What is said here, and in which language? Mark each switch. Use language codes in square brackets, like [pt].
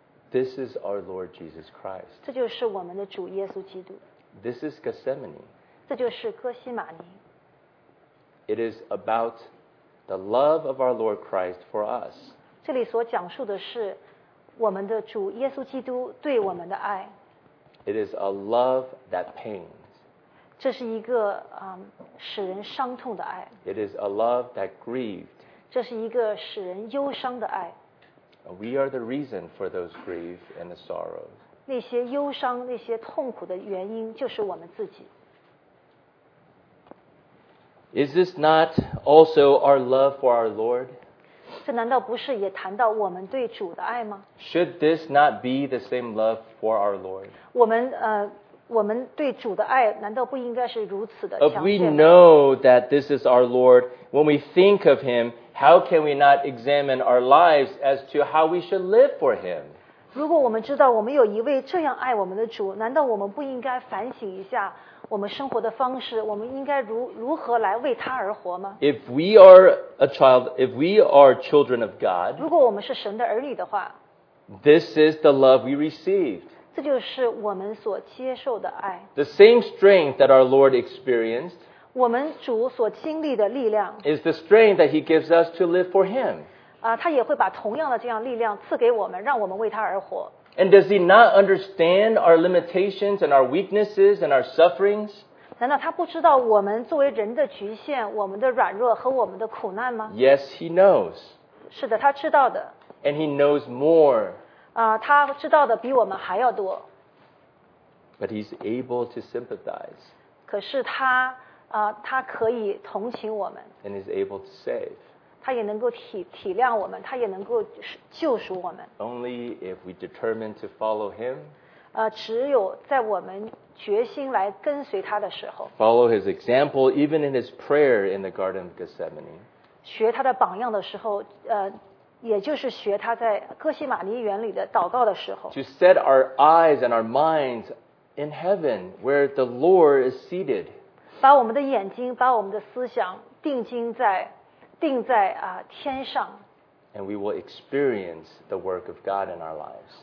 [en] This is our Lord Jesus Christ. [zh] 这就是我们的主耶稣基督。 [en] This is Gethsemane. [zh] 这就是哥西马尼。 [en] It is about the love of our Lord Christ for us. [zh] 这里所讲述的是我们的主耶稣基督对我们的爱。 [en] It is a love that pains. [zh] 这是一个使人伤痛的爱。 [en] It is a love that grieved. [zh] 这是一个使人忧伤的爱。 [en] We are the reason for those grief and the sorrows. [zh] 那些忧伤、那些痛苦的原因就是我们自己。 [en] Is this not also our love for our Lord? [zh] 这难道不是也谈到我们对主的爱吗？ [en] Should this not be the same love for our Lord? [zh] 我们对主的爱难道不应该是如此的强烈吗？ [en] If we know that this is our Lord, when we think of Him,How can we not examine our lives as to how we should live for Him? [zh] 如果我们知道我们有一位这样爱我们的主，难道我们不应该反省一下我们生活的方式？我们应该如何来为他而活吗？ [en] If we are a child, if we are children of God, [zh] 如果我们是神的儿女的话， [en] this is the love we received. [zh] 这就是我们所接受的爱。 [en] The same strength that our Lord experienced. [zh] 我们主所经历的力量 [en] is the strength that He gives us to live for Him. [zh] 他也会把同样的这样力量赐给我们，让我们为他而活。 [en] And does He not understand our limitations and our weaknesses and our sufferings? [zh] 难道他不知道我们作为人的局限，我们的软弱和我们的苦难吗？ [en] Yes, He knows. [zh] 是的，他知道的。 [en] And He knows more. [zh] 他知道的比我们还要多。 [en] But He's able to sympathize. [zh] 可是他他可以同情我们 [en] and is able to save. [zh] 他也能够体谅我们，他也能够救赎我们。 [en] Only if we determine to follow him. [zh] 只有在我们决心来跟随他的时候。 [en] Follow his example, even in his prayer in the Garden of Gethsemane. [zh] 学他的榜样的时候，也就是学他在哥西马尼园里的祷告的时候。 [en] To set our eyes and our minds in heaven, where the Lord is seated. [zh] 把我们的眼睛，把我们的思想定在天上。 [en] And we will experience the work of God in our lives.